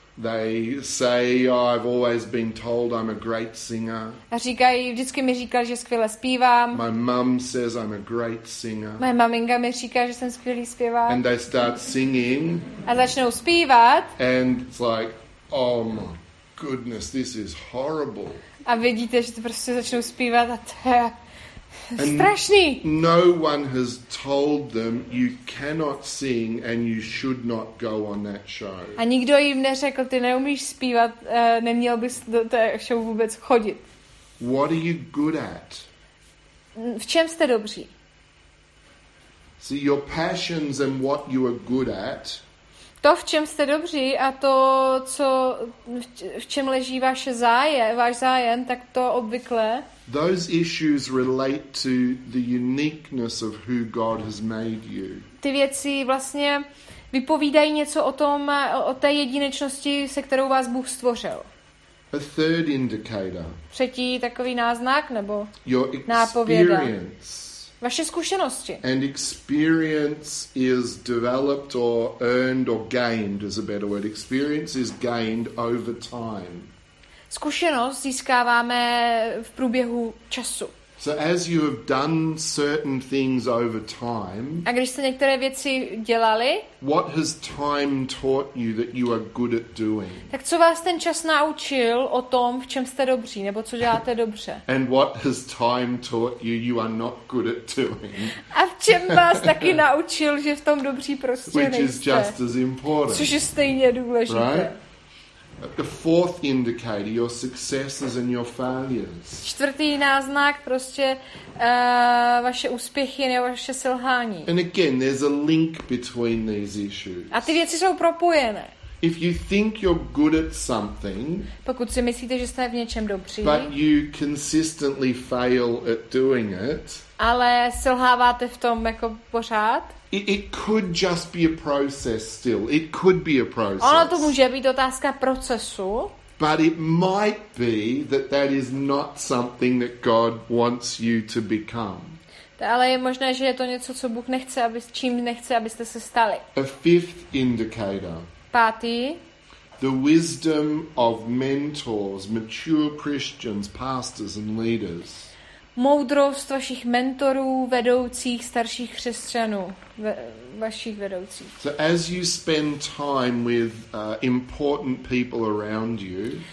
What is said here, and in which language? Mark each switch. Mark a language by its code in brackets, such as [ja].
[en] They say, oh, I've always been told I'm a great singer. [cs] A říkají, vždycky mi říkali, že skvěle zpívám. [en] My mum says I'm a great singer. [cs] Moje maminka mi říká, že jsem skvělý zpěvák. [en] And they start singing. [cs] A začnou zpívat. [en] And it's like, oh my goodness, this is horrible. [cs] A vidíte, že to prostě začnou zpívat a to je strašný. [en] No one has told them you cannot sing and you should not go on that show. [cs] A nikdo jim neřekl, ty neumíš zpívat, neměl bys do té show vůbec chodit. [en] What are you good at? [cs] V čem jste dobří? [en] See, your passions and what you are good at. [cs] To, v čem jste dobří a to, co v čem leží váš zájem, tak to obvykle. [en] Those issues relate to the uniqueness of who God has made you. [cs] Ty věci vlastně vypovídají něco o tom, o té jedinečnosti, se kterou vás Bůh stvořil. [en] A third indicator. [cs] Třetí takový náznak nebo [en] your experience. [cs] Nápověda. Vaše zkušenosti. [en] And experience is developed or earned or gained is a better word. Experience is gained over time. [cs] Zkušenost získáváme v průběhu času. [en] So as you have done certain things over time. [cs] A když jste některé věci dělali? [en] What has time taught you that you are good at doing? [cs] Tak co vás ten čas naučil o tom, v čem jste dobří nebo co děláte dobře? [en] And what has time taught you you are not good at doing? [cs] A v čem vás taky naučil, že v tom dobří prostě [en] Which [cs] nejste? [en] Is just as important. [cs] Což je stejně důležité. [en] Right? The fourth indicator, your successes and your failures. [cs] Čtvrtý náznak, prostě vaše úspěchy nebo vaše selhání. [en] And again, there's a link between these issues. [cs] A ty věci jsou propojené. [en] If you think you're good at something, [cs] pokud si myslíte, že jste v něčem dobří, [en] but you consistently fail at doing it, [cs] ale selháváte v tom jako pořád, [en] It could just be a process still. It could be a process. [cs] Ono to může být otázka procesu. [en] But it might be that that is not something that God wants you to become. [cs] Ale je možné, že je to něco, co Bůh nechce, aby, čím nechce, abyste se stali. [en] A fifth indicator. [cs] Pátý. [en] The wisdom of mentors, mature Christians, pastors and leaders. [cs] Moudrost vašich mentorů, vedoucích, starších křesťanů, vašich vedoucích. [en] So as you spend time with important people around you,